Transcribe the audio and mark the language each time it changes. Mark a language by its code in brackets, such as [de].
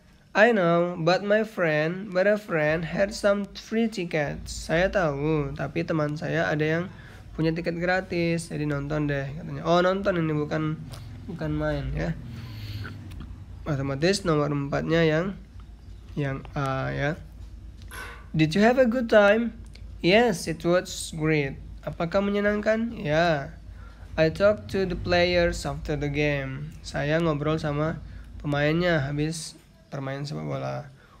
[en] I know, but a friend had some free tickets. [id] Saya tahu, tapi teman saya ada yang punya tiket gratis, jadi nonton deh katanya. Oh, nonton ini bukan main ya. Otomatis nomor 4-nya yang A ya. [en] Did you have a good time? Yes, it was great. [id] Apakah menyenangkan? Ya. [en] Yeah. I talked to the players after the game. [id] Saya ngobrol sama pemainnya habis permainan sepak bola.